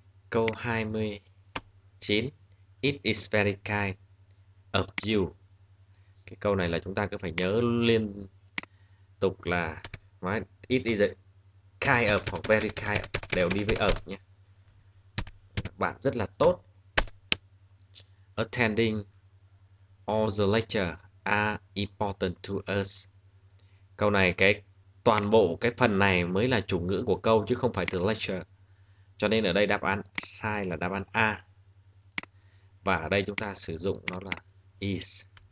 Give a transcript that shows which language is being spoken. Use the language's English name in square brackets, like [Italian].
[Vietnamese] Câu 29. [English] It is very kind of you. [Vietnamese] Cái câu này là chúng ta cứ phải nhớ liên tục là [English] it is a kind of [Vietnamese] hoặc [English] very kind of, [Vietnamese] đều đi với of nhé. Bạn rất là tốt. [English] Attending all the lecture are important to us. [Vietnamese] Câu này cái toàn bộ cái phần này mới là chủ ngữ của câu chứ không phải từ lecture. Cho nên ở đây đáp án sai là đáp án A. Và ở đây chúng ta sử dụng nó là is.